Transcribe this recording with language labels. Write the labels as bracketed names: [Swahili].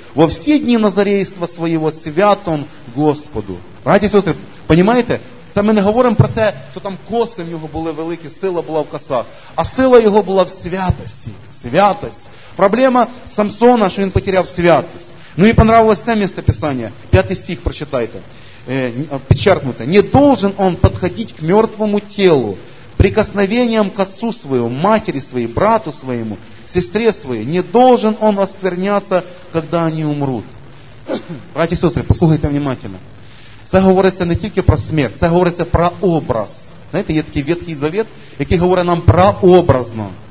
[Russian] Во все дни назарейства своего свят он Господу. Братья и сестры, понимаете? [Ukrainian] Це ми не говоримо про те, що там коси в нього були великі, сила була в косах. А сила його була в святості. Святость. Проблема Самсона, що він потеряв святость. Ну і понравилось це місце Писання. П'ятий стих прочитайте. Підчеркнуте. [Russian] Не должен он подходить к мертвому телу, прикосновением к отцу своему, матери своей, брату своему, сестре своей. Не должен он оскверняться, когда они умрут. Братья и сестры, послухайте внимательно. [Ukrainian] Це говориться не тільки про смерть, це говориться про образ. Знаєте, є такий Ветхий Завет, який говорить нам про образно.